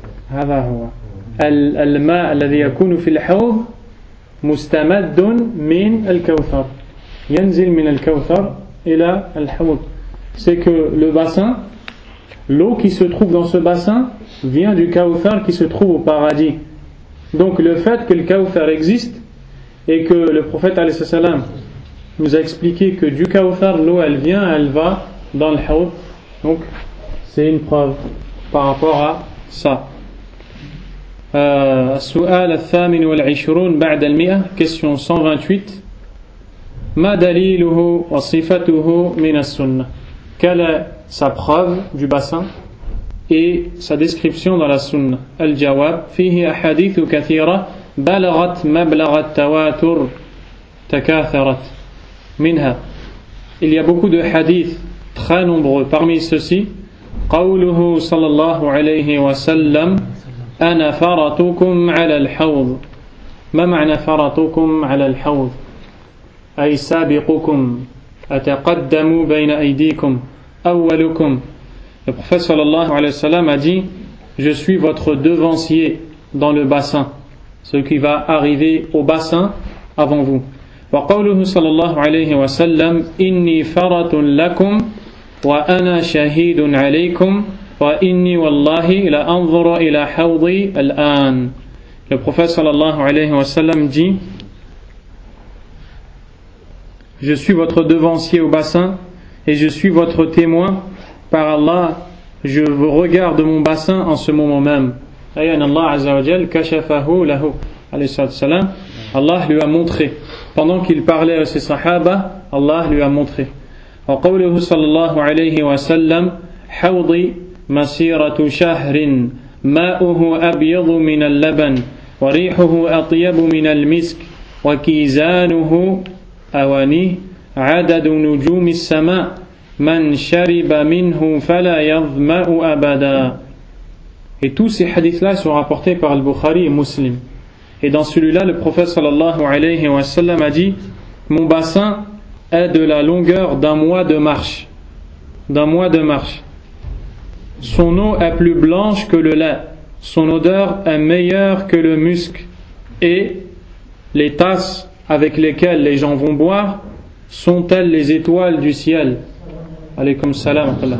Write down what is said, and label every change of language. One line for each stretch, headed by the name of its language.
Arabic: هذا هو الماء الذي يكون في الحوض مستمد من الكوثر ينزل من الكوثر
French: et là al-hawd, c'est que le bassin, l'eau qui se trouve dans ce bassin vient du Kawthar qui se trouve au paradis. Donc le fait que le Kawthar existe et que le prophète
Arabic: alayhi salam
French: nous a expliqué que du Kawthar l'eau elle vient, elle va dans le hawd, donc c'est une preuve par rapport à ça.
Arabic: السؤال الثامن والعشرون بعد المئة
French: question 128
Arabic: ما دليله وصفته من السنة
French: quelle est sa preuve du bassin et sa description dans la sunna.
Arabic: الجواب فيه أحاديث كثيرة بلغت مبلغ التواتر تكاثرت منها
French: il y a beaucoup de hadiths très nombreux parmi ceux-ci
Arabic: قوله صلى الله عليه وسلم أنا فرطكم على الحوض ما معنى فرطكم على الحوض أي سابقكم أتقدموا بين أيديكم أولكم
French: le prophète صلى الله عليه وسلم a dit je suis votre devancier dans le bassin ce qui va arriver au bassin avant vous
Arabic: وقوله صلى الله عليه وسلم إني فرط لكم وأنا شهيد عليكم وإني والله لا أنظر إلى حوضي الآن.
French: Le prophète
Arabic: sallallahu alayhi wa sallam
French: dit je suis votre devancier au bassin et je suis votre témoin par Allah je vous regarde mon bassin en ce moment même.
Arabic: Ayan Allah azza wa jalla kashafahu lahu alayhi sallam.
French: Allah lui a montré pendant qu'il parlait à ses sahaba, Allah lui a montré.
Arabic: Wa qawluhu sallallahu alayhi wa sallam hawdi مسيرة شهر ماؤه أبيض من اللبن وريحه أطيب من المسك وكيزانه أوانيه عدد نجوم السماء من شرب منه فلا يظمأ أبدا.
French: Et tous ces hadiths là sont rapportés par Al-Bukhari et Muslim. Et dans celui-là, le prophète
Arabic: sallallahu alayhi wa sallam
French: a dit mon bassin est de la longueur d'un mois de marche. D'un mois de marche. Son eau est plus blanche que le lait, son odeur est meilleure que le musc, et les tasses avec lesquelles les gens vont boire sont-elles les étoiles du ciel.
Arabic: Alaykum salam.